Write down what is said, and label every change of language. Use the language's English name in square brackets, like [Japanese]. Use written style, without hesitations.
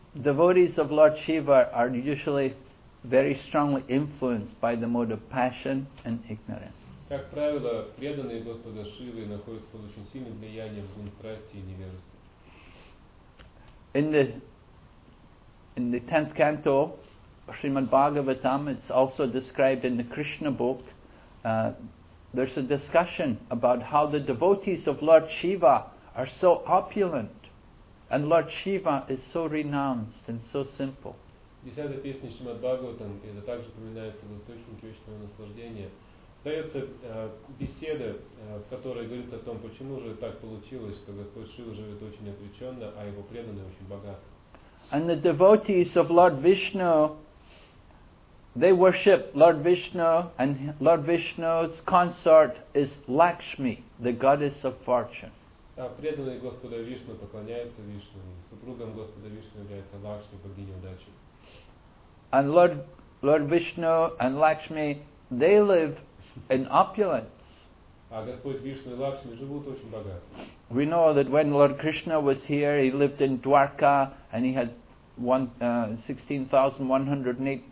[English] Devotees of Lord Shiva are usually very strongly influenced by the mode of passion and ignorance. [Russian] Как правило, преданные Господа Шивы находятся под очень сильным влиянием гун страсти и невежества. [English] In the 10th canto, Srimad Bhagavatam, it's also described in the Krishna book. There's a discussion about how the devotees of Lord Shiva are so opulent and Lord Shiva is so renounced and so simple. [Russian] Десятая песня Шримад Бхагаватам, это также упоминается в источнике вечного наслаждения, дается беседа, в которой говорится о том, почему же так получилось, что Господь Шива живет очень отреченно, а его преданные очень богаты. [English] And the devotees of Lord Vishnu, they worship Lord Vishnu, and Lord Vishnu's consort is Lakshmi, the goddess of fortune. [Russian] А преданные Господа Вишну поклоняются Вишну, и супругом Господа Вишну является Лакшми, богиня удачи. [English] And Lord Vishnu and Lakshmi, they live in opulence. [Russian] А Господь Вишну и Лакшми живут очень богато. [English] We know that when Lord Krishna was here, he lived in Dwarka, and he had 16,108